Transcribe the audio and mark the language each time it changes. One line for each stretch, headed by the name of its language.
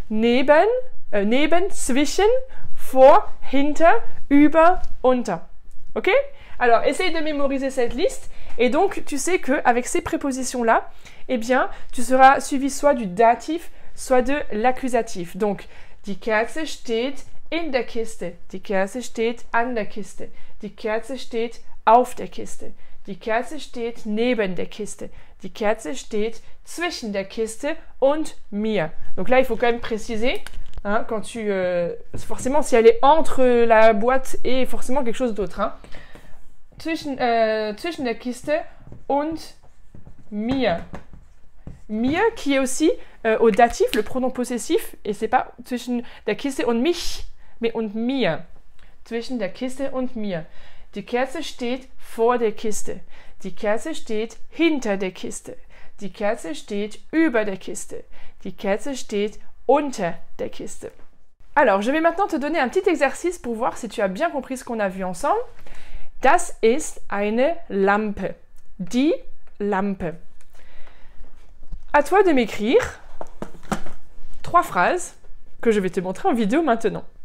German: Neben, neben, zwischen. Vor, hinter. Über, unter. Ok?
French: Alors, essaye de mémoriser cette liste. Et donc, tu sais qu'avec ces prépositions-là, eh bien, tu seras suivi soit du datif, soit de l'accusatif.
German: Donc, die Kerze steht in der Kiste. Die Kerze steht an der Kiste. Die Kerze steht auf der Kiste. Die Kerze steht neben der Kiste. Die Kerze steht zwischen der Kiste und mir.
French: Donc là, il faut quand même préciser, hein, quand tu, forcément, si elle est entre la boîte et forcément quelque chose d'autre, hein.
German: Zwischen der Kiste und mir.
French: Mir qui est aussi au datif, le pronom possessif, et c'est pas
German: zwischen der Kiste und mich,
French: mais
German: und mir. Zwischen der Kiste und mir. Die Kerze steht vor der Kiste. Die Kerze steht hinter der Kiste. Die Kerze steht über der Kiste. Die Kerze steht unter der Kiste.
French: Alors, je vais maintenant te donner un petit exercice pour voir si tu as bien compris ce qu'on a vu ensemble.
German: Das ist eine Lampe. Die Lampe.
French: À toi de m'écrire trois phrases que je vais te montrer en vidéo maintenant.